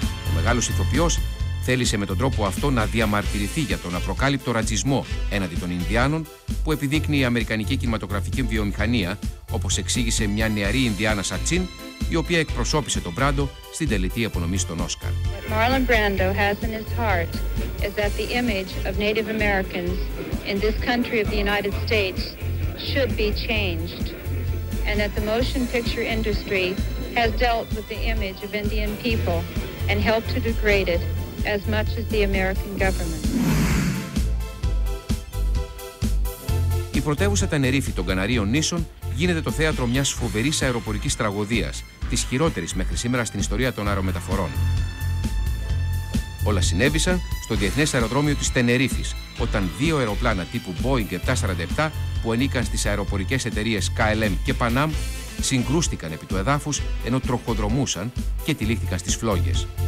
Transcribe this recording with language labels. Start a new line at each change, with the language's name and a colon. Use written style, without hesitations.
Greek: Ο μεγάλος ηθοποιός θέλησε με τον τρόπο αυτό να διαμαρτυρηθεί για τον απροκάλυπτο ρατσισμό έναντι των Ινδιάνων που επιδείκνει η Αμερικανική Κινηματογραφική Βιομηχανία, όπως εξήγησε μια νεαρή Ινδιάνα Σατσίν, η οποία εκπροσώπησε τον Μπράντο στην τελετή απονομής των Όσκαρ.
English: What Marlon Brando has in his heart is that the image of Native Americans in this country of the United States should be changed, and that the motion picture industry has dealt with the image of Indian people and helped to degrade it as much as the American government.
Greek: Η πρωτεύουσα Τενερίφη των Καναρίων νήσων γίνεται το θέατρο μιας φοβερής αεροπορικής τραγωδίας, της χειρότερης μέχρι σήμερα στην ιστορία των αερομεταφορών. Όλα συνέβησαν στο Διεθνές Αεροδρόμιο της Τενερίφης, όταν δύο αεροπλάνα τύπου Boeing 747 που ανήκαν στις αεροπορικές εταιρείες KLM και Pan Am συγκρούστηκαν επί του εδάφους ενώ τροχοδρομούσαν και τυλίχθηκαν στις φλόγες.